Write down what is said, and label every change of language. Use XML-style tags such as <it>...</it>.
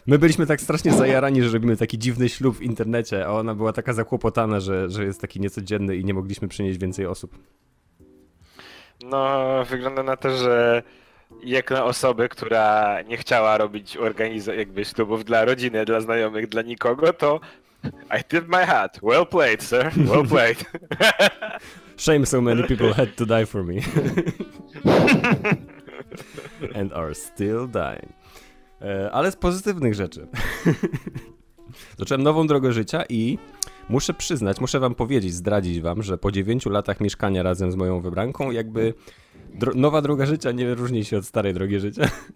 <pl>My byliśmy tak strasznie zajarani, że robimy taki dziwny ślub w internecie, a ona była taka zakłopotana, że jest taki niecodzienny i nie mogliśmy przynieść więcej osób. No, wygląda na to, że jak na osobę, która nie chciała robić jakby ślubów dla rodziny, dla znajomych, dla nikogo, to</pl> <en>I did my hat. Well played, sir. Well played. Shame so many people had to die for me. And are still dying.</en> <pl>Ale z pozytywnych rzeczy. Zacząłem nową drogę życia i muszę przyznać, muszę wam powiedzieć, zdradzić wam, że po 9 latach mieszkania razem z moją wybranką, jakby nowa droga życia nie różni się od starej drogi życia.</pl>